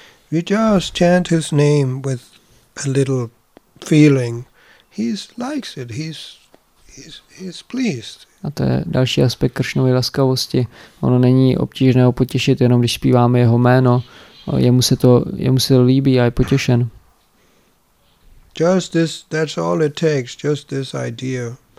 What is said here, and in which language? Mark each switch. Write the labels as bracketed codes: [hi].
[en] We just chant his name with a little feeling. He likes it. He's pleased. [cs] A to je další aspekt Kršnovy laskavosti. Ono není obtížné ho potěšit, jenom když zpíváme jeho jméno. Jemu se to líbí a je potěšen. [en] Just this, that's all it takes, just this idea.